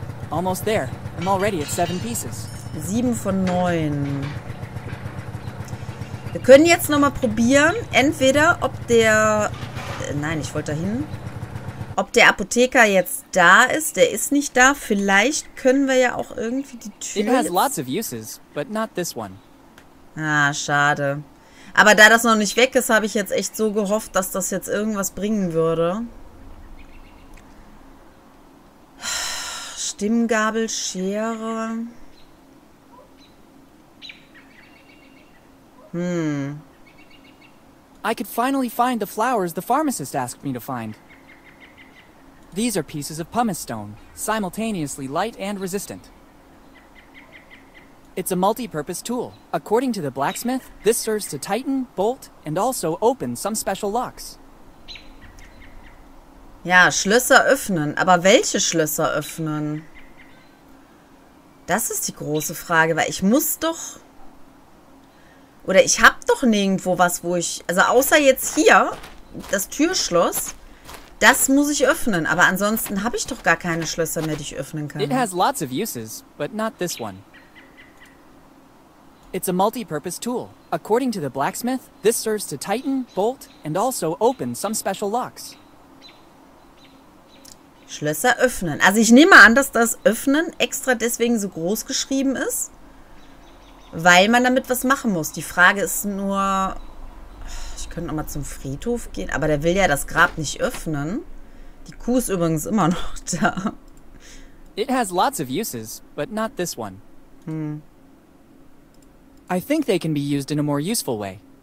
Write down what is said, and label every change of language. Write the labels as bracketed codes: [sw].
[en] Almost there. I'm already at 7 pieces. [de] 7 von 9. Wir können jetzt nochmal probieren, entweder ob der... Nein, ich wollte dahin. Ob der Apotheker jetzt da ist. Der ist nicht da. Vielleicht können wir ja auch irgendwie die Tür... [en] It has lots of uses, but not this one. [de] Ah, schade. Aber da das noch nicht weg ist, habe ich jetzt echt so gehofft, dass das jetzt irgendwas bringen würde. Stimmgabel, Schere. [en] I could finally find the flowers the pharmacist asked me to find. These are pieces of pumice stone, simultaneously light and resistant. It's a multi-purpose tool. According to the blacksmith, this serves to tighten, bolt, and also open some special locks. [de] Ja, Schlösser öffnen. Aber welche Schlösser öffnen? Das ist die große Frage, weil ich muss doch... Oder ich hab doch nirgendwo was, wo ich... Also außer jetzt hier, das Türschloss, das muss ich öffnen. Aber ansonsten habe ich doch gar keine Schlösser mehr, die ich öffnen kann. [en] It has lots of uses, but not this one. It's a multi-purpose tool. According to the blacksmith, this serves to tighten, bolt, and also open some special locks. [de] Schlösser öffnen. Also ich nehme an, dass das Öffnen extra deswegen so groß geschrieben ist, weil man damit was machen muss. Die Frage ist nur, ich könnte nochmal zum Friedhof gehen, aber der will ja das Grab nicht öffnen. Die Kuh ist übrigens immer noch da. [en] It has lots of uses, but not this one. I think they can be used in a more useful way.